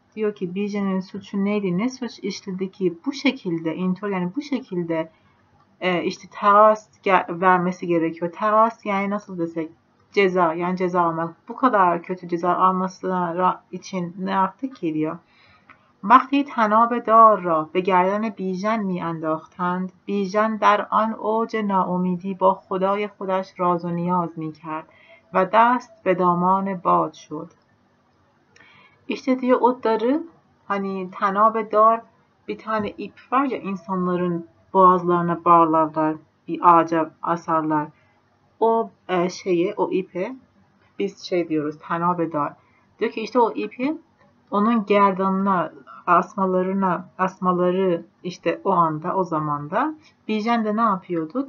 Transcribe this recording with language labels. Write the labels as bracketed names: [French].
[Turkish] Diyor ki Bijan'ın suçu neydi? Ne suç işledi ki bu şekilde [Persian] in tor [Turkish] yani bu şekilde işte teras vermesi gerekiyor. Teras yani nasıl desek, ceza yani ceza almak. Bu kadar kötü ceza almasına için ne yaptı ki diyor. [Persian] Vakti tanab dar را به گردن بیژن می انداختند، بیژن در آن اوج ناامیدی با خدای خودش راز و نیاز می کرد و دست به دامان باد شد. [Turkish] İşte diyor o darı, hani tanabe dar, bir tane ip var ya, insanların boğazlarına bağlarlar, bir ağaca asarlar. O şeye, o ipe biz şey diyoruz, tanabe dar. Diyor ki işte o ipi onun gerdanına, asmaları işte o anda, o zamanda Bijan da ne yapıyordu?